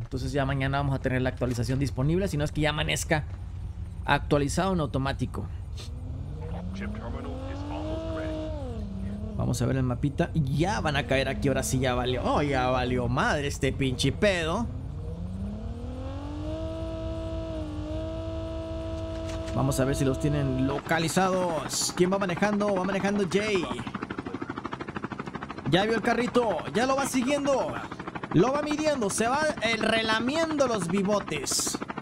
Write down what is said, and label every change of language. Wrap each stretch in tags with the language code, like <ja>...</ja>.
<es>Entonces ya mañana vamos a tener la actualización disponible. Si no es que ya amanezca actualizado en automático.</es> <en>chip terminal is almost ready.</en> <es>Vamos a ver el mapita. Ya van a caer aquí, ahora sí ya valió. Oh, ya valió madre este pinche pedo. Vamos a ver si los tienen localizados. ¿Quién va manejando? Va manejando Jay. Ya vio el carrito, ya lo va siguiendo. Lo va midiendo, se va relamiendo los bigotes.</es>